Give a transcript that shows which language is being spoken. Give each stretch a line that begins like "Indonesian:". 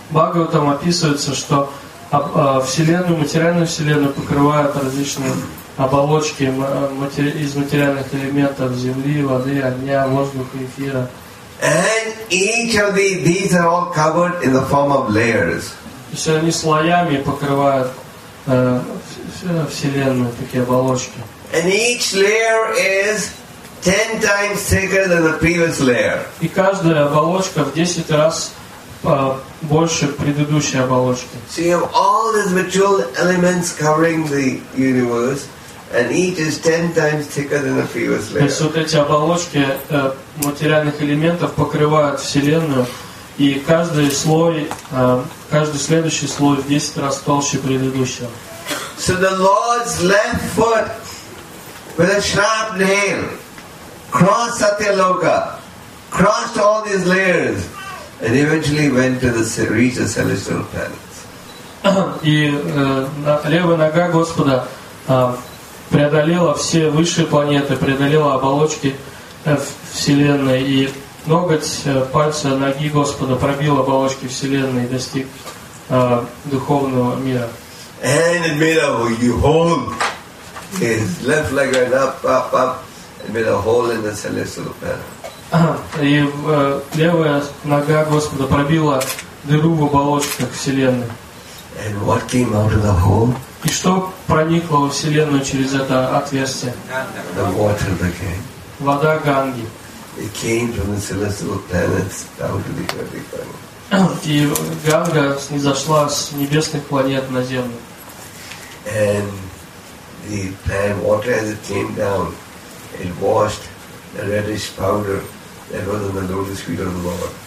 Russian: Бхагаватам описывается, что вселенную, материальную вселенную покрывают различные оболочки из материальных элементов земли, воды, огня, воздуха, эфира.
English: And each of these are all covered in the form of layers.
Russian: Все они слоями покрывают вселенную, такие оболочки.
English: And each layer is 10 times thicker than the previous layer.
Russian: И каждая оболочка в 10 раз больше предыдущей оболочки.
English: So you have all these material elements covering the universe. And each is 10 times thicker than the previous layer.
Russian: То есть вот эти оболочки материальных элементов покрывают вселенную, и каждый следующий слой в 10 раз толще предыдущего.
English: So the Lord's left foot with a sharp nail crossed Satyaloka, crossed all these layers, and eventually went to reach the celestial planets.
Russian: И левая нога Господа преодолела все высшие планеты, преодолела оболочки Вселенной, и ноготь пальца ноги Господа пробил оболочки Вселенной и достиг духовного мира.
English: And it made a hole. His left leg went up, and made a hole in the celestial panel.
Russian: И левая нога Господа пробила дыру в оболочках Вселенной.
English: And what came out of the hole?
Russian: И что проникло во Вселенную через это отверстие?
English: The water again.
Russian: Вода Ганги.
English: It came from the celestial planets down to the earthly planets.
Russian: И Ганга снизошла с небесных планет на Землю.
English: And the planet water, as it came down, it washed the reddish powder that was on the lotus feet of the Lord.